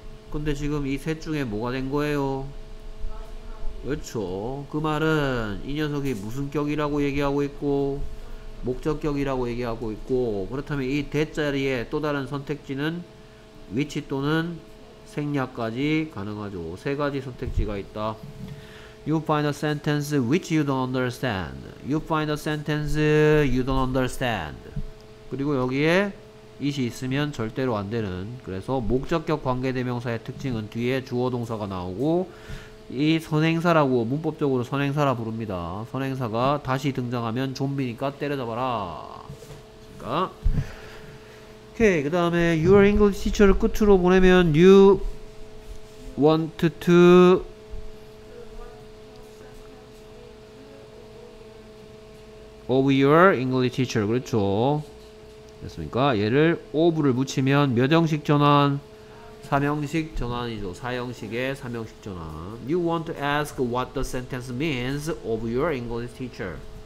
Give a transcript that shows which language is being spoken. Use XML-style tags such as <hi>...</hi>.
<ko>근데 지금 이 셋 중에 뭐가 된 거예요? 그렇죠. 그 말은 이 녀석이 무슨 격이라고 얘기하고 있고 목적격이라고 얘기하고 있고, 그렇다면 이 대자리의 또 다른 선택지는 위치 또는 생략까지 가능하죠. 세 가지 선택지가 있다.</ko> <en>You find a sentence which you don't understand. You find a sentence you don't understand.</en> <ko>그리고 여기에 it이 있으면 절대로 안 되는, 그래서 목적격 관계대명사의 특징은 뒤에 주어동사가 나오고 이 선행사라고 문법적으로 선행사라 부릅니다. 선행사가 다시 등장하면 좀비니까 때려잡아라. 그러니까 오케이. 그 다음에</ko> <en>your English teacher</en> <ko>를 끝으로 보내면</ko> <en>you want to of your English teacher.</en> <ko>그렇죠. 됐습니까? 얘를 of를 붙이면 몇 형식 전환? 3형식 전환이죠. 4형식의 3형식 전환.</ko> <en>You want to ask what the sentence means of your English teacher.</en>